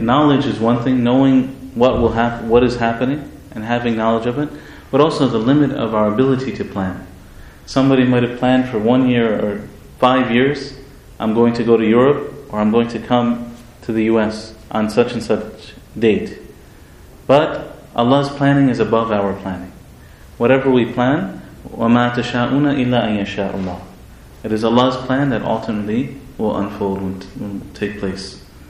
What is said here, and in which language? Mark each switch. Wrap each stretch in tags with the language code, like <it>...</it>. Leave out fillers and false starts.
<en>Knowledge is one thing, knowing what is happening and having knowledge of it, but also the limit of our ability to plan. Somebody might have planned for 1 year or 5 years, I'm going to go to Europe, or I'm going to come to the US on such and such date. But Allah's planning is above our planning. Whatever we plan,</en> <ar>وَمَا تَشَاءُونَ إِلَّا أَن يَشَاءُ اللَّهُ.</ar> <en>It is Allah's plan that ultimately will unfold, will take place.</en>